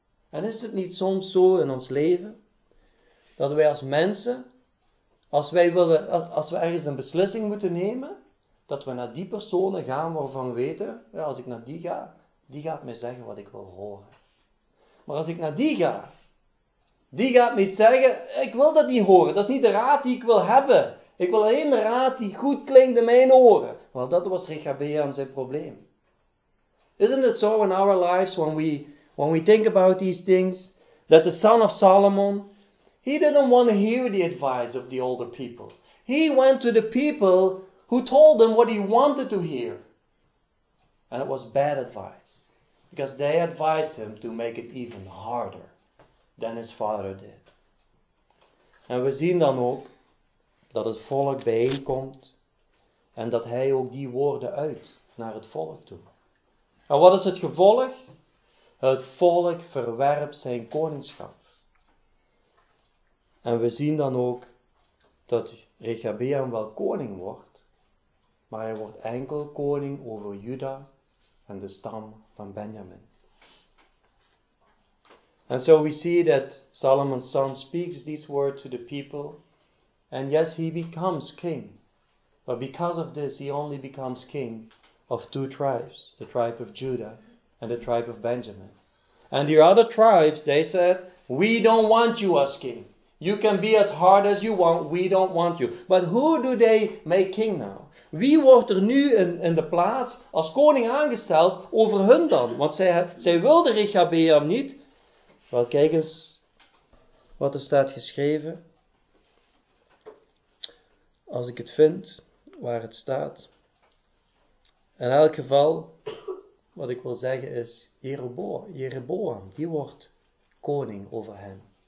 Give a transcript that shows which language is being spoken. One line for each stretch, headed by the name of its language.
Dutch: En is het niet soms zo in ons leven, dat wij als mensen, als wij willen, als we ergens een beslissing moeten nemen, dat we naar die personen gaan waarvan we weten, ja, als ik naar die ga, die gaat mij zeggen wat ik wil horen. Maar als ik naar die ga, die gaat mij iets zeggen, ik wil dat niet horen, dat is niet de raad die ik wil hebben. Ik wil alleen de raad die goed klinkt in mijn oren. Want dat was Rechabeam zijn probleem.
English: Isn't it so in our lives, when we think about these things, that the son of Solomon, he didn't want to hear the advice of the older people. He went to the people who told him what he wanted to hear. And it was bad advice. Because they advised him to make it even harder than his father did.
Dutch: En we zien dan ook dat het volk bijeenkomt. En dat hij ook die woorden uit naar het volk toe. En wat is het gevolg? Het volk verwerpt zijn koningschap. En we zien dan ook dat Rechabeam wel koning wordt, maar hij wordt enkel koning over Juda en de stam van Benjamin.
English: And so we see that Solomon's son speaks these words to the people, and yes, he becomes king. But because of this, he only becomes king of two tribes, the tribe of Judah and the tribe of Benjamin. And the other tribes, they said, we don't want you as king. You can be as hard as you want, we don't want you. But who do they make king now?
Dutch: Wie wordt er nu in de plaats als koning aangesteld over hun dan? Want zij wilden Rechabeam niet. Wel, kijk eens wat er staat geschreven. Als ik het vind, waar het staat. In elk geval, wat ik wil zeggen is, Jeroboam, die wordt koning over hen.